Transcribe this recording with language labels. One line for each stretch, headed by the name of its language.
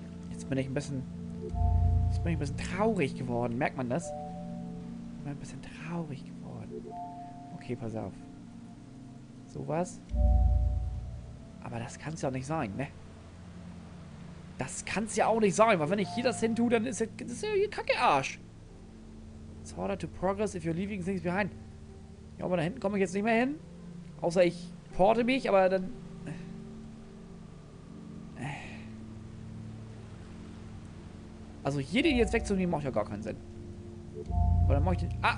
German: Jetzt bin ich ein bisschen traurig geworden. Merkt man das? Ich bin ein bisschen traurig geworden. Okay, pass auf. Sowas. Aber das kann es ja auch nicht sein, ne? Weil wenn ich hier das hin tue, dann ist das hier kacke Arsch.
English: It's harder to progress if you're leaving things behind.
German: Ja, aber da hinten komme ich jetzt nicht mehr hin. Außer ich porte mich, aber dann... Also hier den jetzt wegzunehmen, macht ja gar keinen Sinn. Aber dann mache ich den...